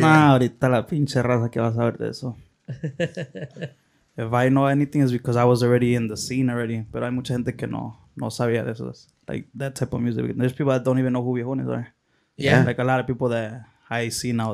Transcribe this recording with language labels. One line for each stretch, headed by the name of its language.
Spanish: Nah, ahorita la pinche raza que vas a ver de eso.
English: If I know anything, it's because I was already in the scene already.
Spanish: Pero hay mucha gente que no sabía de esos.
English: Like, that type of music. There's people that don't even know who Viejones are. Yeah. Like a lot of people that I see now.